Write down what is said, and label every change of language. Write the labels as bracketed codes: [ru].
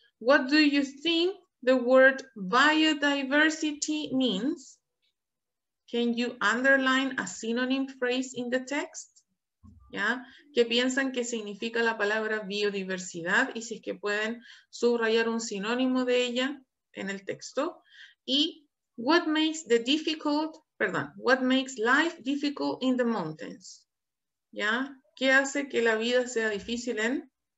[en] What do you think the word biodiversity means? Can you underline a synonym phrase in the text? [es] ¿ya? ¿Qué piensan que significa la palabra biodiversidad? Y si es que pueden subrayar un sinónimo de ella en el texto. [en] Y what makes the difficult, perdón, what makes life difficult in the mountains? [es] ¿Ya? ¿Qué hace que la vida sea difícil en?